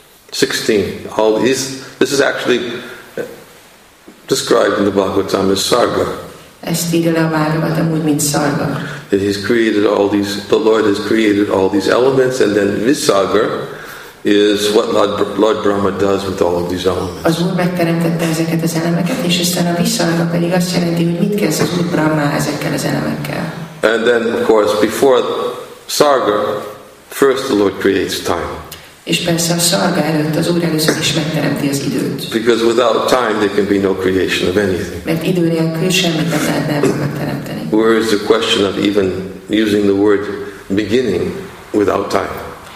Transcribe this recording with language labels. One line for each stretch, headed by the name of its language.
English: 16. All these. This is actually described in the Bhagavatam as Sarga.
Hungarian: Ezt írja le a Bhagavatam úgy, mint Sarga.
English: That he's created all these, the Lord has created all these elements, and then Visagra is what Lord Brahma does with all of these elements.
Hungarian: Az Úr megteremtette ezeket az elemeket, és aztán a Visagra pedig azt jelenti, hogy mit kezd az Úr Brahma ezekkel az elemekkel.
English: And then, of course, before Sarga, first the Lord creates time.
Hungarian: És persze a Sarga előtt az Úr először is megteremti az időt.
English: Because without time there can be no creation of anything.
Hungarian: Mert idő nélkül semmit nem lehetne megteremteni.
English: Where is the question of even using the word beginning without time?